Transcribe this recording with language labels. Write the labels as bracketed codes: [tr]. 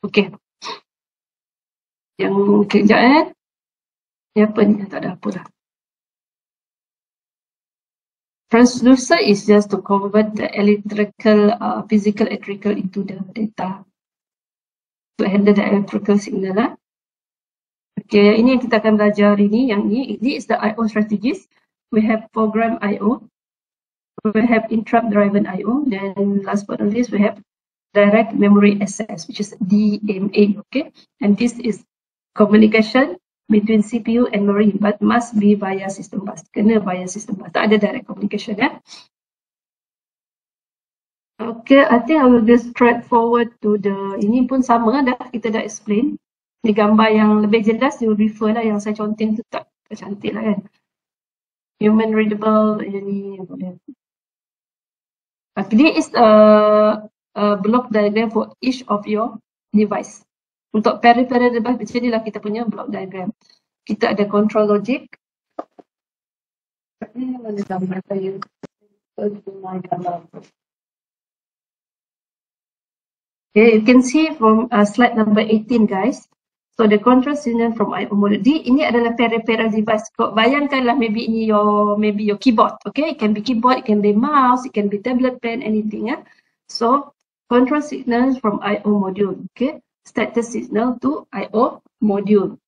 [ms] Okay, yang kerja kan ni apa ni, tak ada apa lah. [en] Transducer is just to convert the electrical physical electrical into the data to handle the electrical signal lah. [ms] Okay, ini yang kita akan belajar hari ni. Yang ni, [en] this is the IO strategies. We have program IO, we have interrupt driven IO, then last but not least we have direct memory access, which is DMA. Okay, and this is communication between CPU and memory, but must be via system bus. [ms] Kena via system bus, tak ada direct communication ya. [en] Okay, I think I will be straightforward to the, [ms] ini pun sama dah, kita dah explain. Ni gambar yang lebih jelas, you refer lah, yang saya conteng tu tak cantik lah kan. Human readable, ini boleh. [en] Okay, this is a block diagram for each of your device. [ms] Untuk peripheral device, macam inilah kita punya block diagram. Kita ada control logic. Ini mana gambar saya? [en] Okay, you can see from slide number 18, guys. So, the control signal from IO module. [ms] Ini adalah peripheral device. Kau bayangkanlah maybe ini [en] maybe your keyboard. Okay, it can be keyboard, it can be mouse, it can be tablet pen, anything. Yeah? So, control signal from IO module. Okay, status signal to IO module.